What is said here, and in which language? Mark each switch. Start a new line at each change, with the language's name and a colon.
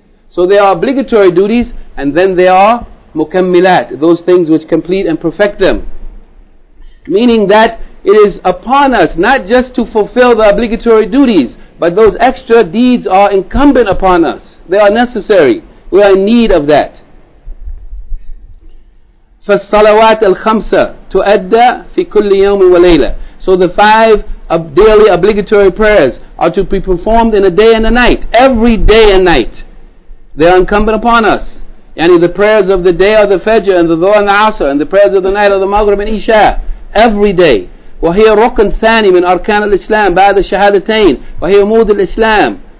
English: So there are obligatory duties, and then there are mukammilat, those things which complete and perfect them. Meaning that it is upon us not just to fulfill the obligatory duties, but those extra deeds are incumbent upon us. They are necessary. We are in need of that.
Arabic: فالصلوات الخمسة تؤدى في كل يوم وليلة.
English: So the five daily obligatory prayers are to be performed in a day and a night. Every day and night. They are incumbent upon us. Yani the prayers of the day are the Fajr and the Dhuhr and the Asr, and the prayers of the night are the Maghrib and Isha. Every day.
Arabic: وَهِيَ رُقْنْ ثَانِي مِنْ أَرْكَانَ الْإِسْلَامِ بَعْدَ الشَّهَادَتَيْنِ وَهِيَ مُودِ الْإِسْلَامِ.